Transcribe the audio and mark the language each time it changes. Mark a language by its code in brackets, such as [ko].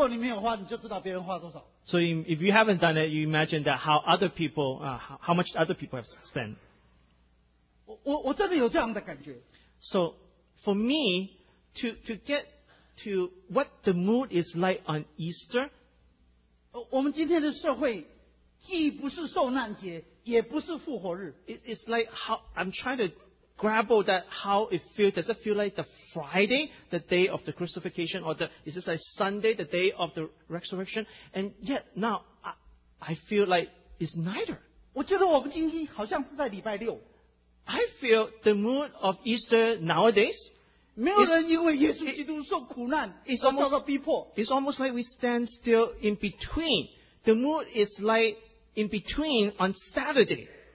[zh] 如果你没有花, [en] so if you haven't done it, you imagine that how other people, how much other people have spent. [zh] 我真的有这样的感觉. [en] So for me, to get to what the mood is like on Easter, [zh] 我们今天的社会, 既不是受难节，也不是复活日. [en] It's like how I'm trying to grapple that how it feels. Does it feel like the Friday, the day of the crucifixion, or is it like Sunday, the day of the resurrection? And yet now I feel like it's neither. [zh] 我觉得我们今天好像是在礼拜六. [en] I feel the mood of Easter nowadays. [zh] 没有人因为耶稣基督受苦难, [en] it's almost like we stand still in between. The mood is like in between on Saturday.